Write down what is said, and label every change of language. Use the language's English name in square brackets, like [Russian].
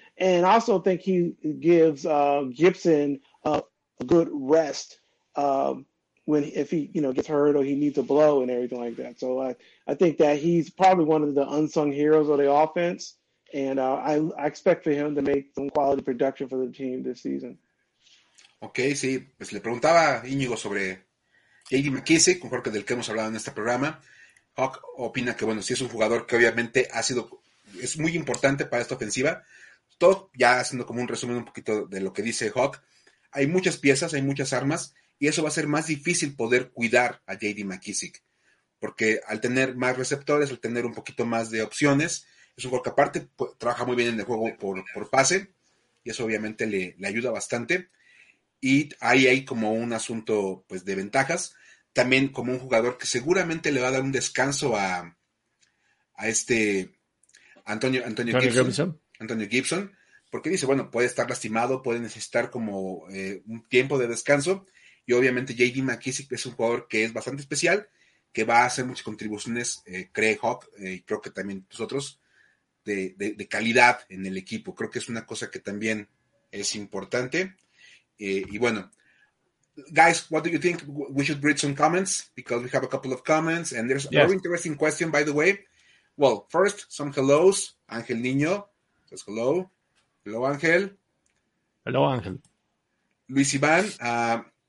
[English] And I also think he gives Gibson a good rest if he, you know, gets hurt or he needs a blow and everything like that. So I think that he's probably one of the unsung heroes of the offense. And I expect for him to make some quality production for the team this season. [Spanish] Okay, sí. Pues le preguntaba Íñigo sobre J.D. McKissick, un jugador del que hemos hablado en este programa. Hawk opina que, bueno, sí es un jugador que obviamente ha sido, es muy importante para esta ofensiva. Todo, ya haciendo como un resumen un poquito de lo que dice Hawk, hay muchas piezas, hay muchas armas, y eso va a ser más difícil poder cuidar a J.D. McKissick, porque al tener más receptores, al tener un poquito más de opciones, es un jugador que aparte trabaja muy bien en el juego por pase, y eso obviamente le ayuda bastante. Y ahí hay como un asunto pues de ventajas. También como un jugador que seguramente le va a dar un descanso a este Antonio Gibson. Porque dice, bueno, puede estar lastimado, puede necesitar como un tiempo de descanso. Y obviamente J.D. McKissick es un jugador que es bastante especial, que va a hacer muchas contribuciones, Craig Hawk, y creo que también nosotros, de calidad en el equipo. Creo que es una cosa que también es importante. Y bueno, [English] guys, what do you think? We should read some comments because we have a couple of comments and there's a very interesting question, by the way. Well, first, some hellos. Ángel Niño says hello. Hello, Ángel. Hello, Ángel. Luis Iván.